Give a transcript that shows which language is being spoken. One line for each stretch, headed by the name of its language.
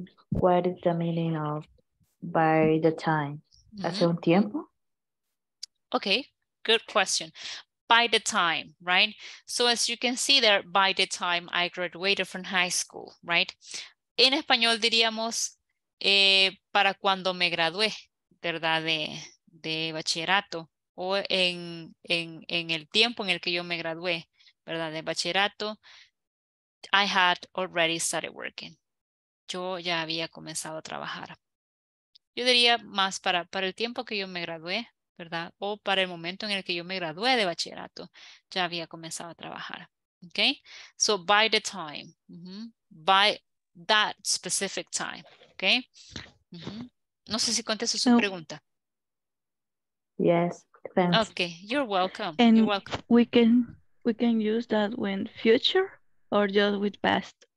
English: What is the meaning of by the time?
Spanish: Hace un tiempo?
English: Okay, good question. By the time, right? So as you can see there, by the time I graduated from high school, right?
Spanish: En español diríamos para cuando me gradué, ¿verdad? De bachillerato. O en el tiempo en el que yo me gradué, ¿verdad? De bachillerato,
English: I had already started working.
Spanish: Yo ya había comenzado a trabajar. Yo diría más para el tiempo que yo me gradué, ¿verdad? O para el momento en el que yo me gradué de bachillerato, ya había comenzado a trabajar.
English: Okay? So by the time, by that specific time, okay?
Spanish: No sé si contesto su pregunta.
English: Yes, thanks. Okay, you're welcome. And you're welcome. We can use that when future or just with past.